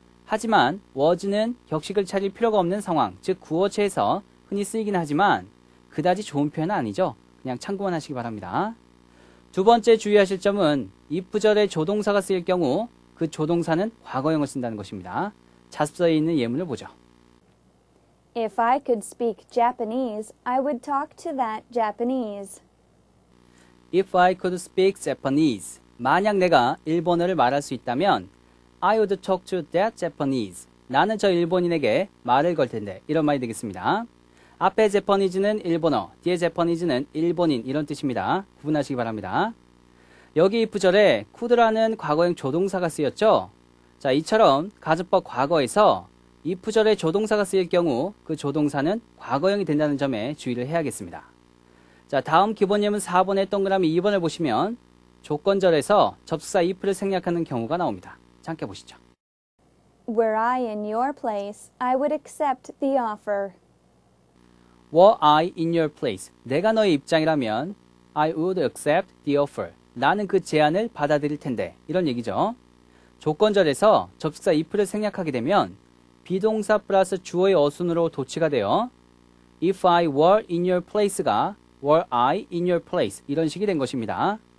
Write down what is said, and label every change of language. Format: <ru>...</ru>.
<ko>하지만 was는 격식을 차릴 필요가 없는 상황, 즉 구어체에서 흔히 쓰이긴 하지만 그다지 좋은 표현은 아니죠. 그냥 참고만 하시기 바랍니다. 두 번째 주의하실 점은 if 절에 조동사가 쓰일 경우 그 조동사는 과거형을 쓴다는 것입니다. 자습서에 있는 예문을 보죠.</ko> <en>If I could speak Japanese, I would talk to that Japanese. If I could speak Japanese,</en> <ko>만약 내가 일본어를 말할 수 있다면</ko> <en>I would talk to that Japanese.</en> <ko>나는 저 일본인에게 말을 걸 텐데. 이런 말이 되겠습니다. 앞에 Japanese는 일본어, 뒤에 Japanese는 일본인 이런 뜻입니다. 구분하시기 바랍니다. 여기 if 절에 could라는 과거형 조동사가 쓰였죠? 자, 이처럼 가접법 과거에서 if 절에 조동사가 쓰일 경우 그 조동사는 과거형이 된다는 점에 주의를 해야겠습니다. 자, 다음 기본 예문 4번의 동그라미 2번을 보시면 조건절에서 접속사 if를 생략하는 경우가 나옵니다. 함께 보시죠.</ko> <en>Were I in your place, I would accept the offer. Were I in your place,</en> <ko>내가 너의 입장이라면</ko> <en>I would accept the offer.</en> <ko>나는 그 제안을 받아들일 텐데. 이런 얘기죠. 조건절에서 접속사 if를 생략하게 되면 비동사 플러스 주어의 어순으로 도치가 되어</ko> <en>If I were in your place</en> <ko>가</ko> <en>Were I in your place</en> <ko>이런 식이 된 것입니다.</ko>